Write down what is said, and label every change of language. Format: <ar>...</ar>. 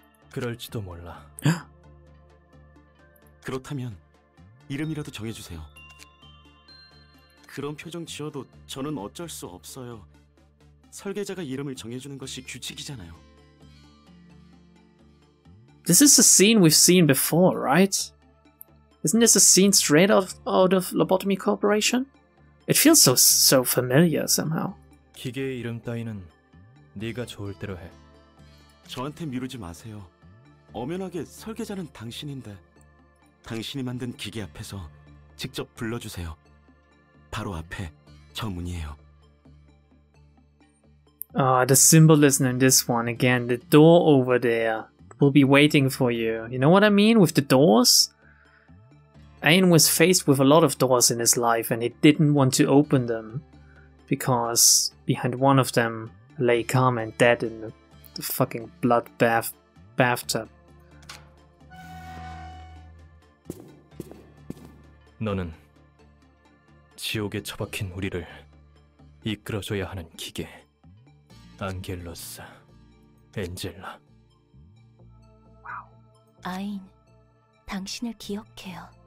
<ko>그럴지도 몰라. 그렇다면 이름이라도 정해주세요. 그런 표정 지어도 저는 어쩔 수 없어요. 설계자가 이름을 정해주는 것이 규칙이잖아요.</ko> <en>This is a scene we've seen before, right? Isn't this a scene straight out of Lobotomy Corporation? It feels so familiar somehow.</en> <ko>기계의 이름 따위는 네가 좋을 대로 해. 저한테 미루지 마세요. 엄연하게 설계자는 당신인데 당신이 만든 기계 앞에서 직접 불러주세요. 바로 앞에 저 문이에요.</ko> <en>The symbolism in this one again. The door over there. Will be waiting for you. You know what I mean? With the doors? Ayn was faced with a lot of doors in his life and he didn't want to open them because behind one of them lay calm and dead in the fucking blood bathtub.</en> <ko>너는 지옥에 처박힌 우리를 이끌어줘야 하는 기계. 안겔로스, 엔젤라. 아인, 당신을 기억해요.</ko>